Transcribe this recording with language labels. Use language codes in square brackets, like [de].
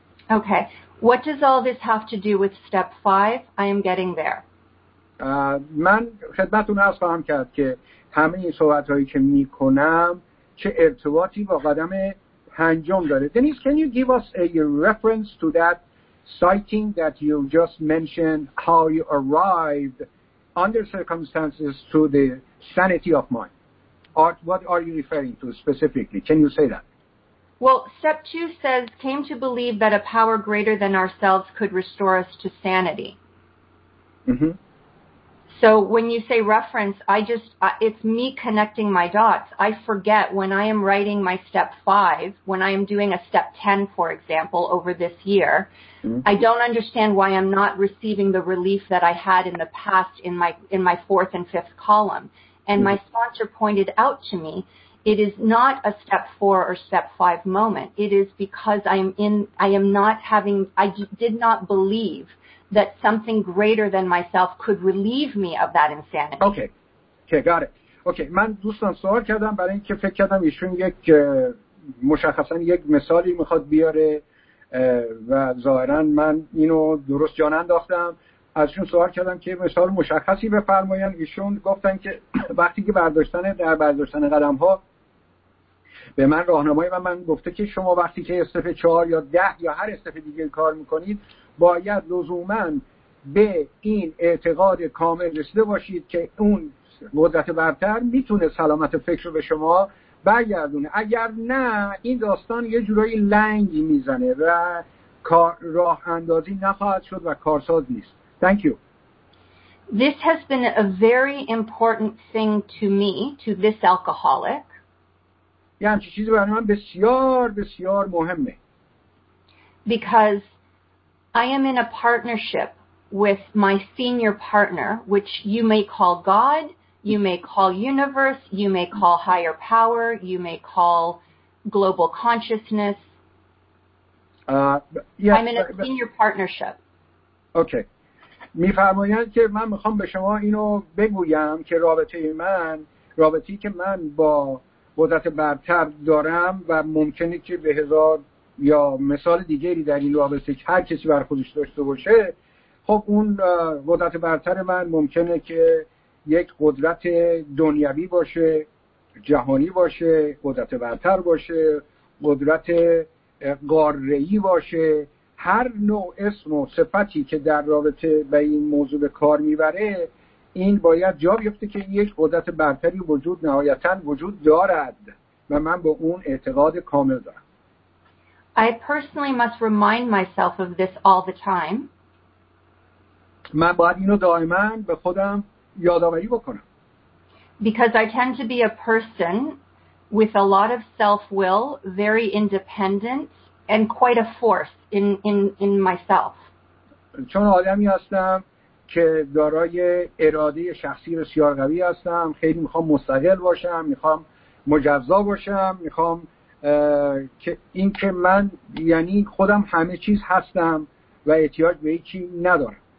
[en] Okay. What does all this have to do with step 5? I am getting there. [fa] من خدمتتون عرض خواهم کرد که همه این صحبت‌هایی که می‌کنم چه ارتباطی با قدم پنجم داره. [en] Denise, can you give us a reference to that sighting that you just mentioned, how you arrived under circumstances to the sanity of mind? What are you referring to specifically? Can you say that? Well, step two says, came to believe that a power greater than ourselves could restore us to sanity. Mm-hmm. So when you say reference, it's me connecting my dots. I forget when I am writing my step five, when I am doing a step 10, for example, over this year, mm-hmm. I don't understand why I'm not receiving the relief that I had in the past in my fourth and fifth column. And mm-hmm. my sponsor pointed out to me, it is not a step four or step five moment. It is because I did not believe that something greater than myself could relieve me of that insanity. Okay, got it. Okay, [fa] من دوستان سوال کردم برای اینکه فکر کردم ایشون یک مشخصا یک مثالی میخواد بیاره و ظاهرا من اینو درست جان انداختم. ازشون سوال کردم که مثال مشخصی بفرماین. ایشون گفتن که وقتی که برداشتن قدم ها به من راهنمایی و من گفته که شما وقتی که استپ 4 یا 10 یا هر استپ دیگه کار میکنید باید لزوماً به این اعتقاد کامل رسیده باشید که اون قدرت برتر میتونه سلامت فکر رو به شما برگردونه. اگر نه این داستان یه جورایی لنگ میزنه و راه اندازی نخواهد شد و کارساز نیست. [en] Thank you. This has been a very important thing to me, to this alcoholic. [fa] یه همچی چیزی برای من بسیار بسیار مهمه. [en] Because I am in a partnership with my senior partner, which you may call God, you may call universe, you may call higher power, you may call global consciousness. Yes, I'm in a senior partnership. Okay. [fa] می فرمایید که من میخوام به شما اینو بگویم که رابطه‌ای که من با قدرت برتر دارم و ممکنه که به هزار یا مثال دیگری در این رابطه که هر کسی بر خودش داشته باشه، خب اون قدرت برتر من ممکنه که یک قدرت دنیوی باشه، جهانی باشه، قدرت برتر باشه، قدرت قاره‌ای باشه، هر نوع اسم و صفتی که در رابطه با این موضوع به کار میبره، این باید جا بیفته که یک قدرت برتری وجود نهایتاً وجود دارد و من به اون اعتقاد کامل دارم. [en] I personally must remind myself of this all the time. [fa] من باید اینو دائماً به خودم یادآوری بکنم. [en] Because I tend to be a person with a lot of self-will, very independent and quite a force in myself. [fa] چون آدمی هستم که دارای اراده شخصی بسیار قوی هستم، خیلی میخوام مستقل باشم، میخوام مجزا باشم، میخوام که این که من یعنی خودم همه چیز هستم و احتیاج به هیچی ندارم.